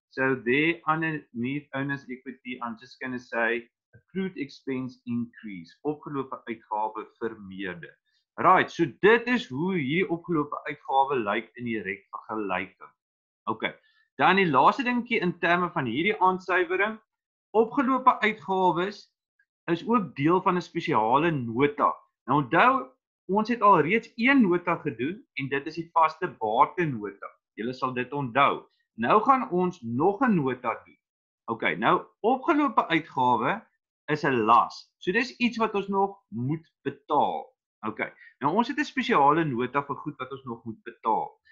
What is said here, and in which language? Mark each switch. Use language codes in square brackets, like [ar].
[en] So there underneath owner's equity, I'm just going to say accrued expense increase. [af] Opgelope uitgawe vermeerder. Right, so dit is hoe hierdie opgelope uitgawe lyk in die rekvergelyking. Ok, dan die laaste dingetjie in terme van hierdie aansuivering, opgelope uitgawes is ook deel van 'n spesiale nota. Nou onthou, ons het al reeds een nota gedoen en dit is die vaste bate nota. Julle sal dit onthou. Nou gaan ons nog 'n nota doen. Ok, nou opgelope uitgawe is 'n las. So dis iets wat ons nog moet betaal. Ok, nou ons het 'n spesiale nota vir goed wat ons nog moet betaal.